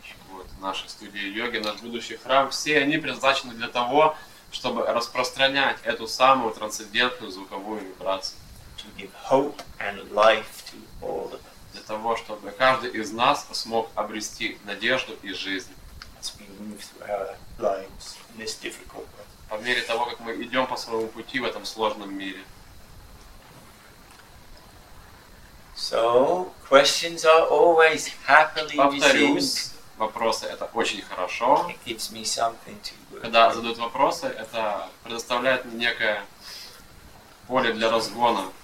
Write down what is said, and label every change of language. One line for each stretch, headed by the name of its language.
Russian: Вот наши студии йоги, наш будущий храм, все они предназначены для того, чтобы распространять эту самую трансцендентную звуковую вибрацию.
English: To give hope and life to all of us.
Russian: Для того, чтобы каждый из нас смог обрести надежду и жизнь.
English: As we move through our lives in this difficult world.
Russian: По мере того, как мы идем по своему пути в этом сложном мире.
English: So, questions are always happily received.
Russian: Вопросы — это очень хорошо. Когда задают вопросы, это предоставляет мне некое поле для разгона.